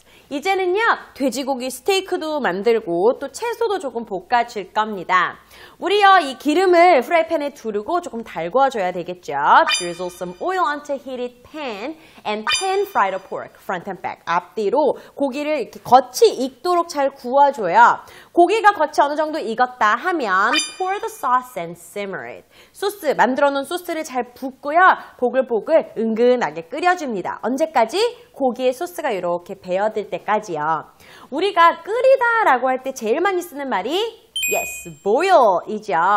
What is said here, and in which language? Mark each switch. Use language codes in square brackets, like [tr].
[ko] 이제는요, 돼지고기 스테이크도 만들고 또 채소도 조금 볶아줄 겁니다. 우리요, 이 기름을 프라이팬에 두르고 조금 달궈줘야 되겠죠. [en] Drizzle some oil onto heated pan and pan fry the pork front and back. [ko] 앞뒤로 고기를 이렇게 겉이 익도록 잘 구워줘요. 고기가 겉이 어느 정도 익었다 하면 [en] pour the sauce and simmer it. [ko] 소스, 만들어 놓은 소스를 잘 붓고요. 보글보글 은근하게 끓여줍니다. 언제까지? 고기에 소스가 이렇게 배어들 때까지요. 우리가 끓이다 라고 할 때 제일 많이 쓰는 말이 [en] Yes, boil [ko] 이죠.